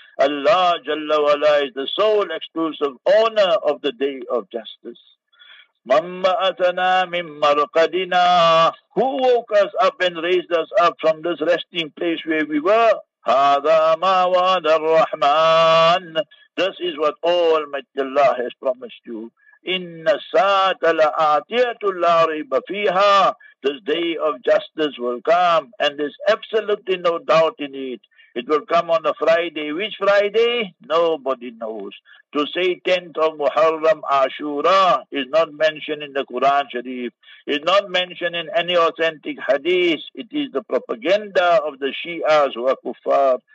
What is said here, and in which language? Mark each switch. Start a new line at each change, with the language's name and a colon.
English: Allah Jalla Wala is the sole exclusive owner of the day of justice.
Arabic: Mamma atana min marqadina.
English: Who woke us up and raised us up from this resting place where we were?
Arabic: هذا ما وعد الرحمن.
English: This is what Almighty Allah has promised you.
Arabic: إن الساعة لآتية لا ريب فيها.
English: This day of justice will come, and there's absolutely no doubt in it. It will come on a Friday. Which Friday? Nobody knows. To say 10th of Muharram Ashura is not mentioned in the Quran Sharif. It's not mentioned in any authentic hadith. It is the propaganda of the Shias who are kuffar.